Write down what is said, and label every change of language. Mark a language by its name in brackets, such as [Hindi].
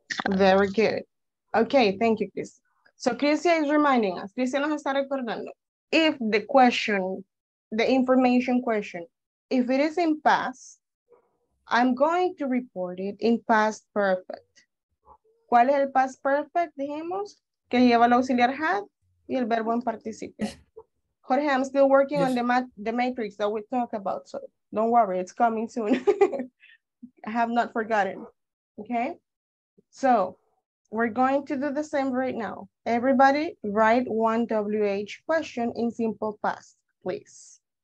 [English] Very good. Okay, thank you, Chris. So Cristia is reminding us, [Spanish] Cristia nos está recordando, [English] if the question, the information question, if it is in past, I'm going to report it in past perfect. [Spanish] ¿Cuál es el past perfect? Dijimos que lleva el auxiliar had y el verbo en participio. [English] Jorge, I'm still working on the matrix that we talk about, so don't worry, it's coming soon. I have not forgotten, okay? So we're going to do the same right now. Everybody write one WH question in simple past, please.